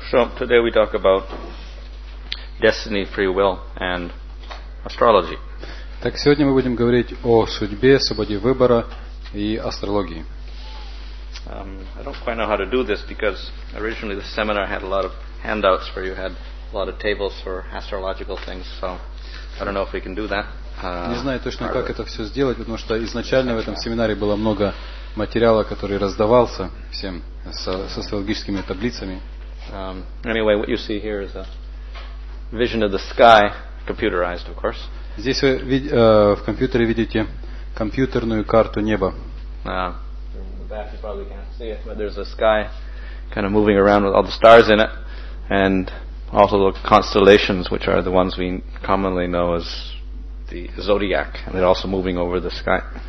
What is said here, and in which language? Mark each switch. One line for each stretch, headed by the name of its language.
English: So today we talk about destiny, free will, and astrology.
Russian: Так сегодня мы будем говорить о судьбе, свободе выбора и астрологии.
English: I don't quite know how to do this because originally the seminar had a lot of handouts where you had a lot of tables for astrological things. So I don't know if we can do that.
Russian: Не знаю точно, как это все сделать, потому что изначально в этом семинаре было много материала, который раздавался всем с астрологическими таблицами.
English: Anyway, what you see here is a vision of the sky, computerized, of course.
Russian: Здесь вы в компьютере видите компьютерную карту неба.
English: You probably can't see it, but there's a sky kind of moving around with all the stars in it, and also the constellations, which are the ones we commonly know as the zodiac, and they're also moving over the sky.